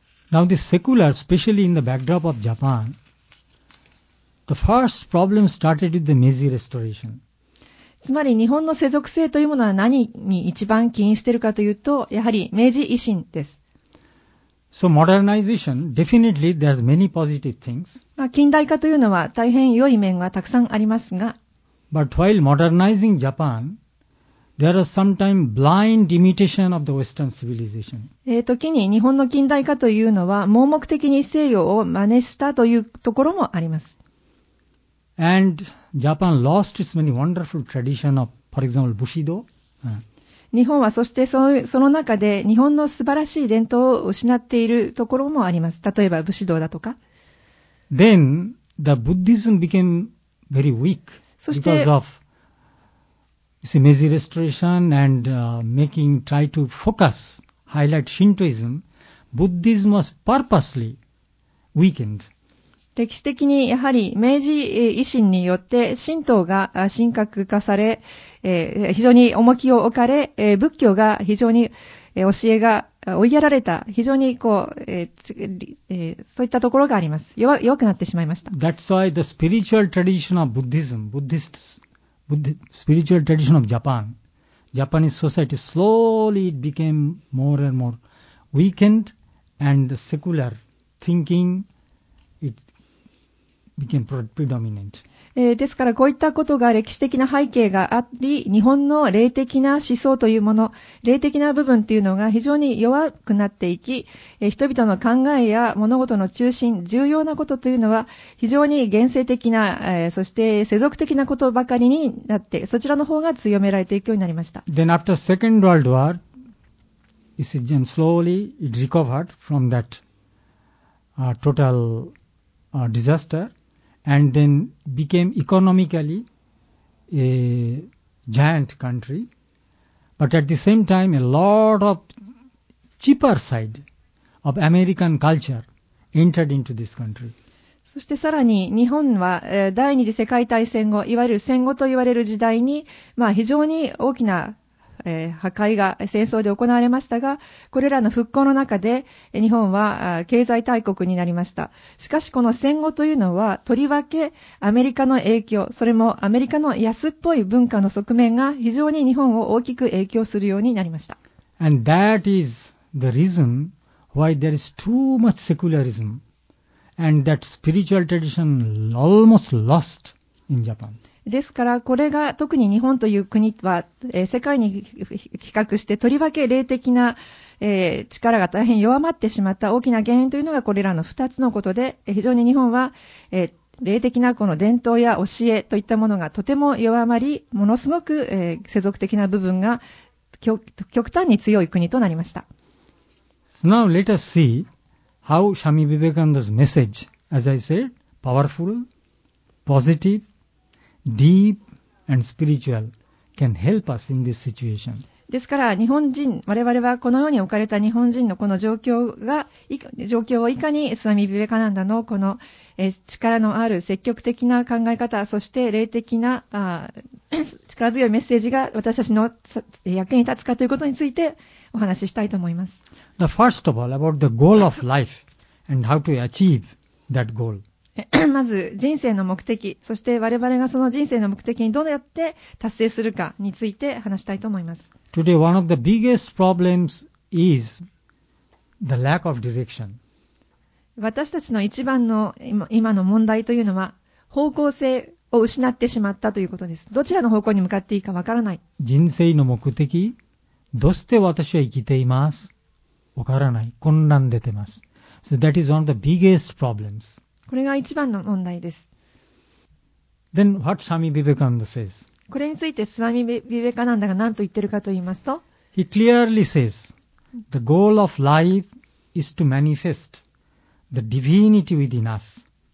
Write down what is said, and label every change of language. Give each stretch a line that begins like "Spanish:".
English: Now this secular, especially in the backdrop of Japan, the first problem started with the Meiji Restoration.
Japanese: つまり日本の世俗性というものは何に一番起因しているかというと、やはり明治維新です。
English: So modernization, definitely there's many positive things.
Japanese: 近代化というのは大変良い面はたくさんありますが、
English: But while modernizing Japan, there are sometimes blind imitation of the Western civilization.
Japanese: 時に日本の近代化というのは盲目的に西洋を真似したというところもあります。
English: And Japan lost its many wonderful tradition of, for example, Bushido.
Japanese: 日本はそしてその中で日本の素晴らしい伝統を失っているところもあります。例えば武士道だとか。
English: Then the Buddhism became very weak because of Meiji Restoration and try to focus, highlight Shintoism. Buddhism was purposely weakened.
Japanese: 歴史的にやはり明治維新によって神道が神格化され、非常に重きを置かれ、仏教が非常に教えが追いやられた、非常にこう、そういったところがあります。弱くなってしまいました。
English: That's why the spiritual tradition of Buddhism, Buddhists, spiritual tradition of Japan, Japanese society slowly became more and more weakened and the secular thinking it became predominant.
Japanese: ですからこういったことが歴史的な背景があり、日本の霊的な思想というもの、霊的な部分というのが非常に弱くなっていき、人々の考えや物事の中心、重要なことというのは非常に現世的な、そして世俗的なことばかりになって、そちらの方が強められていくようになりました。
English: Then after Second World War, you see, then slowly it recovered from that total disaster. And then became economically a giant country. But at the same time, a lot of cheaper side of American culture entered into this country.
Japanese: そしてさらに日本は第二次世界大戦後、いわゆる戦後といわれる時代に、まあ、非常に大きな破壊が戦争で行われましたが、これらの復興の中で日本は経済大国になりました。しかしこの戦後というのはとりわけアメリカの影響、それもアメリカの安っぽい文化の側面が非常に日本を大きく影響するようになりました。
English: And that is the reason why there is too much secularism and that spiritual tradition almost lost in Japan.
Japanese: ですからこれが特に日本という国は、世界に比較してとりわけ霊的な、力が大変弱まってしまった大きな原因というのがこれらの2つのことで、非常に日本は、霊的なこの伝統や教えといったものがとても弱まり、ものすごく、世俗的な部分が極端に強い国となりました。
English: So、now let us see how Swami Vivekananda's message, as I said, powerful, positive, deep and spiritual, can help us in this situation.
Japanese: ですから日本人、我々はこのように置かれた日本人のこの状況が状況をいかにスワミ・ビベカナンダのこの力のある積極的な考え方、そして霊的な力強いメッセージが私たちの役に立つかということについてお話ししたいと思います。
English: The first of all, about the goal of life and how to achieve that goal.
Japanese: まず人生の目的、そして我々がその人生の目的にどうやって達成するかについて話したいと思います。
English: Today, one of the biggest problems is the lack of direction.
Japanese: 私たちの一番の今の問題というのは、方向性を失ってしまったということです。どちらの方向に向かっていいかわからない。人生の目的、どうして私は生きています? わからない。混乱出てます。
English: So that is one of the biggest problems.
Japanese: これが一番の問題です。
English: Then what Swami Vivekananda says?
Japanese: これについてスワミ・ビベカナンダが何と言ってるかと言いますと、
English: He clearly says, the goal of life is to manifest the divinity within us.